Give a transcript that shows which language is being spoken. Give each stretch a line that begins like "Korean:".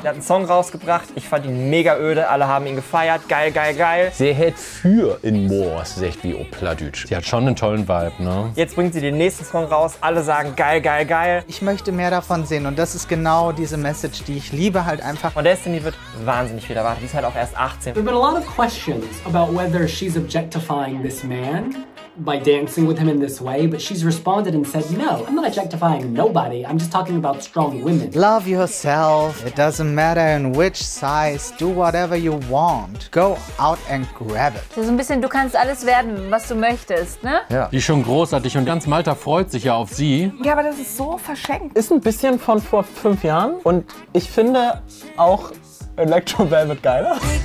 German: Er hat einen Song rausgebracht. Ich fand ihn mega öde. Alle haben ihn gefeiert. Geil, geil, geil. Sie hält für in Moors, sagt wie Opladütsch. Sie hat schon einen tollen Vibe, ne? Jetzt bringt sie den nächsten Song raus, alle sagen geil, geil, geil. Ich möchte mehr davon sehen und das ist genau diese Message, die ich liebe halt einfach. Und Destiny wird wahnsinnig viel erwartet, die ist halt auch erst 18.
English: There have been a lot of questions about whether she's objectifying this man by dancing with him in this way, but she's responded and said, no, I'm not objectifying nobody, I'm just talking about strong women. Love yourself, it doesn't matter in which size, do whatever you want, go out and grab it.
German: So ein bisschen, du kannst alles werden, was du möchtest, ne? Ja. Die ist schon großartig und ganz Malta freut sich ja auf sie. Ja, aber das ist so verschenkt. Ist ein bisschen von vor 5 Jahren und ich finde auch Elektro Velvet geiler.